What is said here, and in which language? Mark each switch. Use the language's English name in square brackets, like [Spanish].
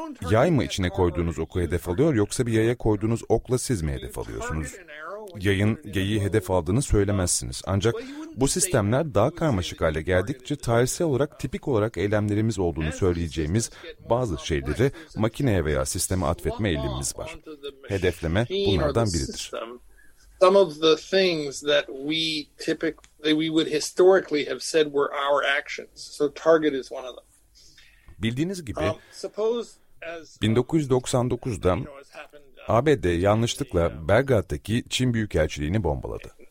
[Turkish] Yay mı içine koyduğunuz oku hedef alıyor, yoksa bir yaya koyduğunuz okla siz mi hedef alıyorsunuz? Yayın geyiği hedef aldığını söylemezsiniz. Ancak bu sistemler daha karmaşık hale geldikçe tarihsel olarak tipik olarak eylemlerimiz olduğunu söyleyeceğimiz bazı şeyleri makineye veya sisteme atfetme eğilimimiz var. Hedefleme bunlardan biridir. [English] Some of the things that we would historically have said were our actions. So target is one of them. [Turkish] Bildiğiniz gibi 1999'da ABD yanlışlıkla Belgrad'daki Çin Büyükelçiliğini bombaladı.